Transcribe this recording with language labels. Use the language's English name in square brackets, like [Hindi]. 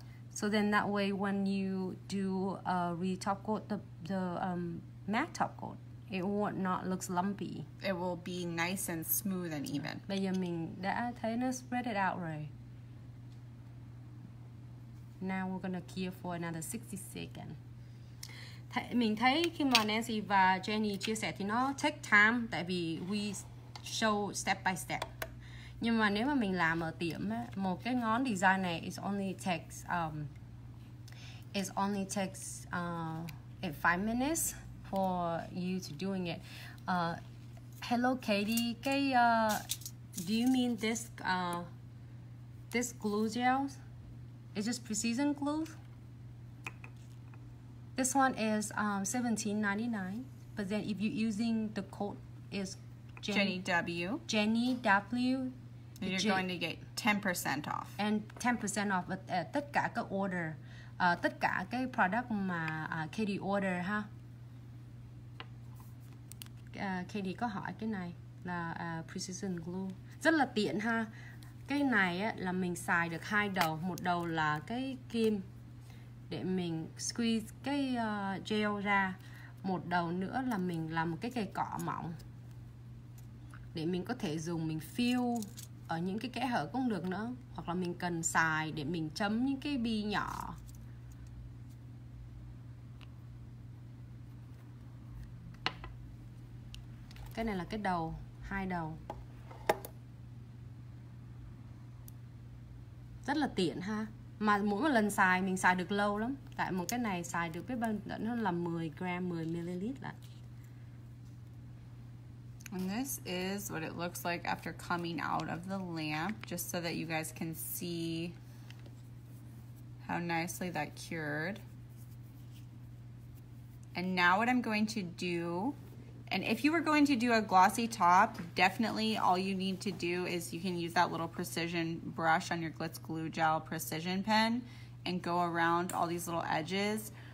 [English] So then that way when you do a re-top coat, the matte top coat, it will not look lumpy. It will be nice and smooth and even. [Vietnamese] Bây giờ mình đã thấy nó [English] spread it out [Vietnamese] rồi. [English] Now we're gonna cure for another 60 seconds. [Vietnamese] Mình thấy khi mà Nancy và Jenny chia sẻ thì nó [English] take time, [Vietnamese] tại vì [English] we show step by step. [Vietnamese] Nhưng mà nếu mà mình làm ở tiệm á, một cái ngón design này [English] it only takes 5 minutes for you to doing it. Hello Katie, do you mean this glue gel? It's just precision glue? This one is $17.99, but then if you're using the code is Jenny W, going to get 10% off. And 10% off with [Vietnamese] tất cả các order, tất cả cái product mà Katie order ha. Katie có hỏi cái này là precision glue, rất là tiện ha. Cái này á là mình xài được hai đầu, một đầu là cái kim để mình squeeze cái gel ra, một đầu nữa là mình làm một cái cây cọ mỏng để mình có thể dùng, mình fill ở những cái kẽ hở cũng được nữa, hoặc là mình cần xài để mình chấm những cái bi nhỏ. Cái này là cái đầu, hai đầu, rất là tiện ha. Mà mỗi một lần xài mình xài được lâu lắm, tại một cái này xài được biết bao nhiêu, nó là 10 gram 10 ml là. [English] And this is what it looks like after coming out of the lamp, just so that you guys can see how nicely that cured. And now what I'm going to do, and if you were going to do a glossy top, definitely all you need to do is you can use that little precision brush on your Glitz glue gel precision pen and go around all these little edges.